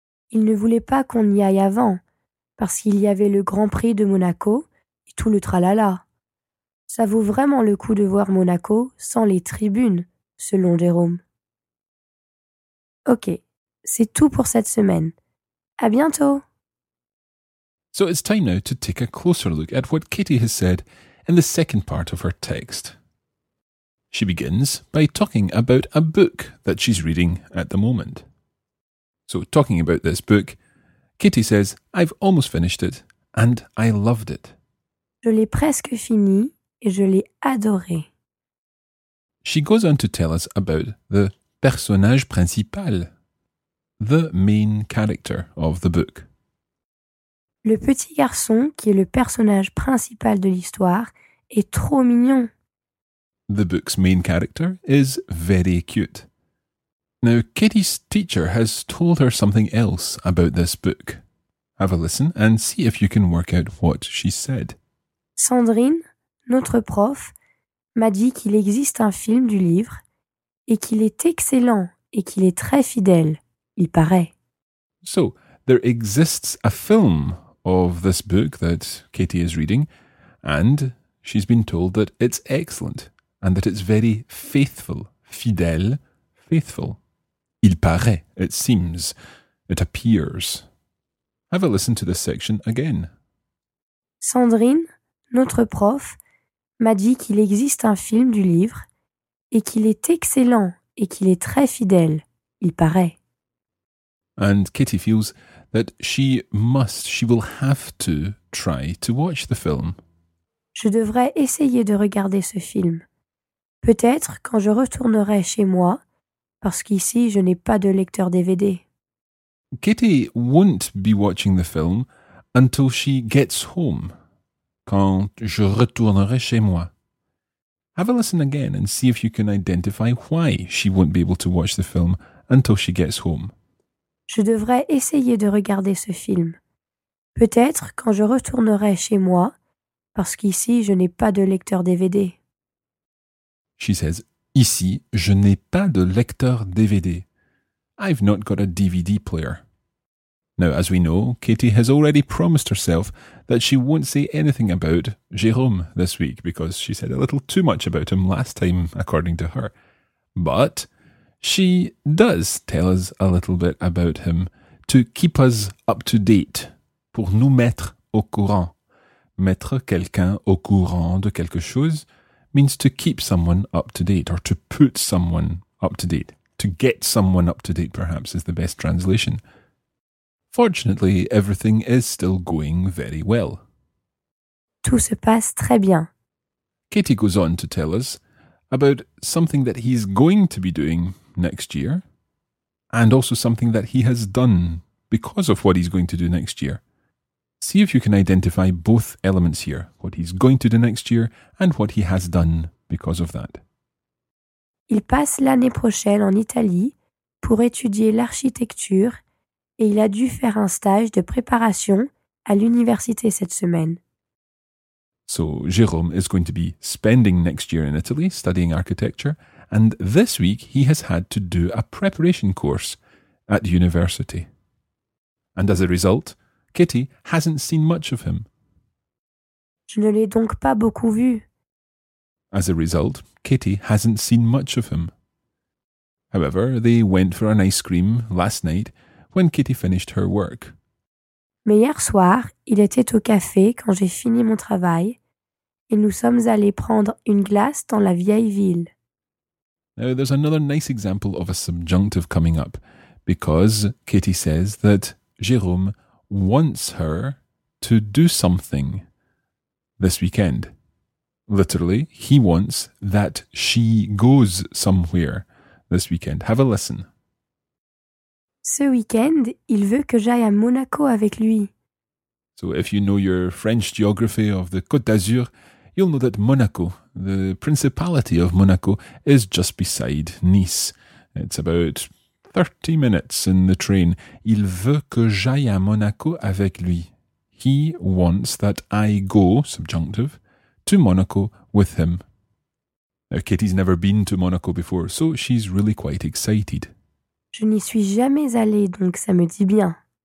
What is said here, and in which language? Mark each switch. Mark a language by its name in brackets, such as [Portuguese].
[French] Il ne voulait pas qu'on y aille avant, parce qu'il y avait le Grand Prix de Monaco et tout le tralala. Ça vaut vraiment le coup de voir Monaco sans les tribunes, selon Jérôme. Ok, c'est tout pour cette semaine. À bientôt! [English] So it's time now to take a closer look at what Katie has said in the second part of her text. She begins by talking about a book that she's reading at the moment. So talking about this book, Katie says, I've almost finished it and I loved it. [French] Je l'ai presque fini et je l'ai adoré. [English] She goes on to tell us about the [French] personnage principal, [English] the main character of the book. [French] Le petit garçon qui est le personnage principal de l'histoire est trop mignon. [English] The book's main character is very cute. Now, Katie's teacher has told her something else about this book. Have a listen and see if you can work out what she said. [French] Sandrine, notre prof, m'a dit qu'il existe un film du livre et qu'il est excellent et qu'il est très fidèle, il paraît. [English] So, there exists a film of this book that Katie is reading, and she's been told that it's excellent, and that it's very faithful, fidèle, faithful. [French] Il paraît, [English] it seems, it appears. Have a listen to this section again. [French] Sandrine, notre prof, m'a dit qu'il existe un film du livre, et qu'il est excellent, et qu'il est très fidèle, il paraît. [English] And Katie feels that she will have to try to watch the film. [French] Je devrais essayer de regarder ce film. Peut-être quand je retournerai chez moi, parce qu'ici je n'ai pas de lecteur DVD. [English] Katie won't be watching the film until she gets home, [French] quand je retournerai chez moi. [English] Have a listen again and see if you can identify why she won't be able to watch the film until she gets home. [French] Je devrais essayer de regarder ce film. Peut-être quand je retournerai chez moi, parce qu'ici je n'ai pas de lecteur DVD. [English] She says, [French] ici je n'ai pas de lecteur DVD. [English] I've not got a DVD player. Now, as we know, Katie has already promised herself that she won't say anything about Jérôme this week, because she said a little too much about him last time, according to her. But she does tell us a little bit about him to keep us up to date, [French] pour nous mettre au courant. Mettre quelqu'un au courant de quelque chose [English] means to keep someone up to date or to put someone up to date. To get someone up to date, perhaps, is the best translation. Fortunately, everything is still going very well. [French] Tout se passe très bien. [English] Katie goes on to tell us about something that he's going to be doing next year, and also something that he has done because of what he's going to do next year. See if you can identify both elements here, what he's going to do next year and what he has done because of that. [French] Il passe l'année prochaine en Italie pour étudier l'architecture et il a dû faire un stage de préparation à l'université cette semaine. [English] So, Jérôme is going to be spending next year in Italy studying architecture. And this week he has had to do a preparation course at university. And as a result, Kitty hasn't seen much of him. [French] Je ne l'ai donc pas beaucoup vu. [English] As a result, Kitty hasn't seen much of him. However, they went for an ice cream last night when Kitty finished her work. [French] Mais hier soir, il était au café quand j'ai fini mon travail et nous sommes allés prendre une glace dans la vieille ville. [English] Now, there's another nice example of a subjunctive coming up, because Katie says that Jérôme wants her to do something this weekend. Literally, he wants that she goes somewhere this weekend. Have a listen. [French] Ce weekend, il veut que j'aille à Monaco avec lui. [English] So if you know your French geography of the Côte d'Azur, you'll know that Monaco, the principality of Monaco, is just beside Nice. It's about 30 minutes in the train. [French] Il veut que j'aille à Monaco avec lui. [English] He wants that I go, subjunctive, to Monaco with him. Now, Katie's never been to Monaco before, so she's really quite excited. [French] Je n'y suis jamais allée, donc ça me dit bien.